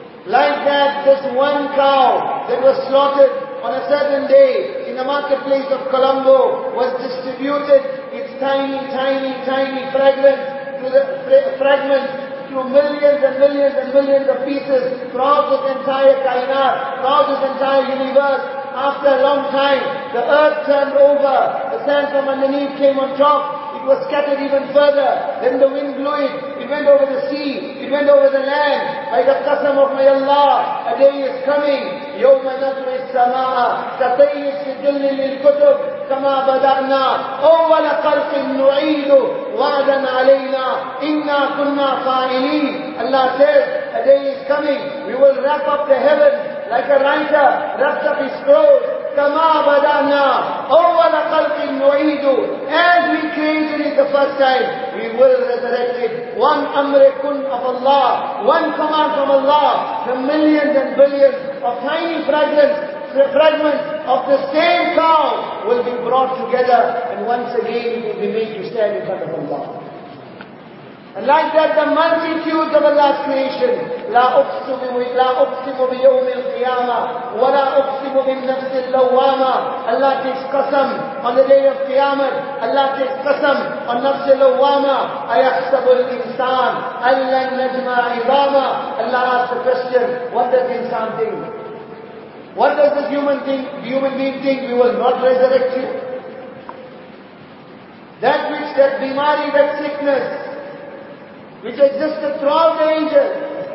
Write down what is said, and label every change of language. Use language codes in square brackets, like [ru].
[en] Like that, just one cow that was slaughtered on a certain day in the marketplace of Colombo was distributed its tiny, tiny, tiny fragments to the fragments through millions and millions and millions of pieces throughout this entire kainat, throughout this entire universe. After a long time, the earth turned over, the sand from underneath came on top, it was scattered even further, then the wind blew it, it went over the sea, it went over the land. By the qasam of my Allah, a day is coming, [ar] يَوْمَ نَطْوِي السَّمَاءَ كَتَيْهِ السِّجِلِّ لِلْكُتُبِ كَمَا بَدَعْنَا أَوَّلَ قَلْقٍ نُعِيدُ وَعَدًا عَلَيْنَا إِنَّا كُنَّا فَاعِلِينَ. [en] Allah says, a day is coming. We will wrap up the heaven like a writer wraps up his clothes. [ar] كَمَا بَدَعْنَا أَوَّلَ خَلْقٍ نُعِيدُ. [en] As we created it the first time, we will resurrect it. One amr kun of Allah, one command from Allah, the millions and billions of tiny fragments, the fragments of the same cow will be brought together, and once again it will be made to stand in front of Allah. And like that, the multitudes of Allah's creation, [ar] لا أقسم بيوم القيامة ولا أقسم بالنفس اللوامة. [en] Allah takes qasam on the day of Qiyamah. Allah takes qasam on nafs al-lawwama. [ar] أيحسب الإنسان ألا نجمع عظاما. [en] Allah asks the question, what does the insan think? What does this human think? Human being think we will not resurrect you? That which, that bimari, that sickness, which existed throughout the ages.